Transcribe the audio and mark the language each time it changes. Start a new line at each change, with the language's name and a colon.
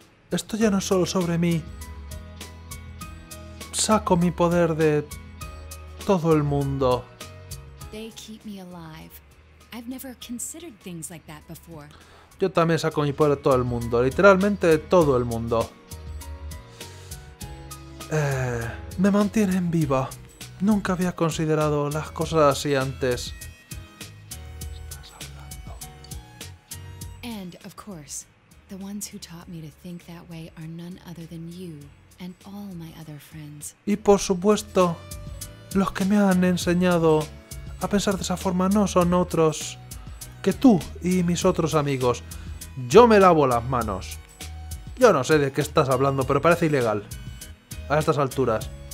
Spanish: Esto ya no es solo sobre mí. Saco mi poder de todo el mundo.
English: They keep me alive. I've never considered things like that before.
Spanish: Yo también saco mi poder de todo el mundo, literalmente de todo el mundo. Me mantienen viva. Nunca había considerado las cosas así antes. Estás hablando.
English: And of course, the ones who taught me to think that way are none other than you. And all my other friends.
Spanish: Y por supuesto, los que me han enseñado a pensar de esa forma no son otros que tú y mis otros amigos. Yo me lavo las manos. Yo no sé de qué estás hablando, pero parece ilegal. A estas alturas.